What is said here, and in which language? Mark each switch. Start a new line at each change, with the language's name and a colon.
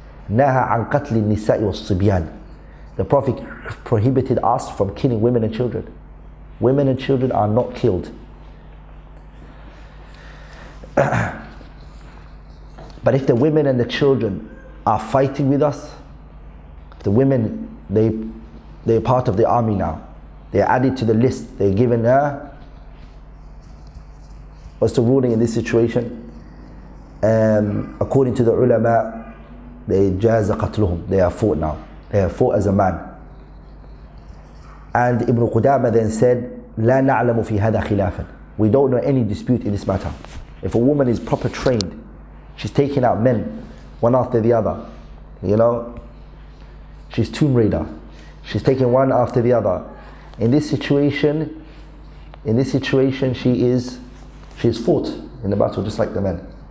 Arabic: نهى عن قتل النساء والصبيان.
English: The Prophet prohibited us from killing women and children. Women and children are not killed. But if the women and the children are fighting with us, the women, they're part of the army now. They're added to the list. They're given her. What's the ruling in this situation? According to the ulama, they
Arabic: jaza qatluhum.
English: They are fought now. They are fought as a man. And Ibn Qudama then said,
Arabic: لا نعلم في هذا خلافا.
English: We don't know any dispute in this matter. If a woman is proper trained, she's taking out men, one after the other. You know, she's tomb raider. She's taking one after the other. In this situation, she's fought in the battle just like the men.